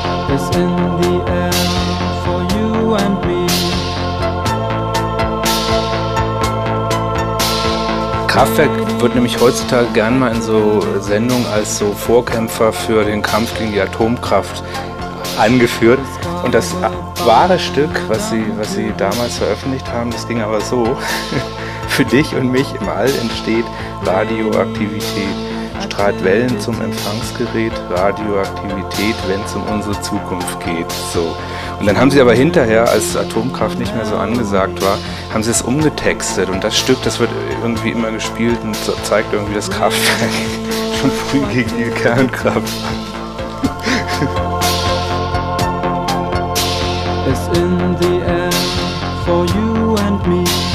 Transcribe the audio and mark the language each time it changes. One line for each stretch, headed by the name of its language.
English: is in the air for you and me.
German: Kraftwerk wird nämlich heutzutage gern mal in so Sendungen als so Vorkämpfer für den Kampf gegen die Atomkraft angeführt. Und das wahre Stück, was sie damals veröffentlicht haben, das ging aber so. Für dich und mich im All entsteht Radioaktivität. Strahlt Wellen zum Empfangsgerät, Radioaktivität, wenn es um unsere Zukunft geht. So. Und dann haben sie aber hinterher, als Atomkraft nicht mehr so angesagt war, haben sie es umgetextet. Und das Stück, das wird irgendwie immer gespielt und zeigt irgendwie das Kraftwerk schon früh gegen die Kernkraft.
English: It's in the air for you and me.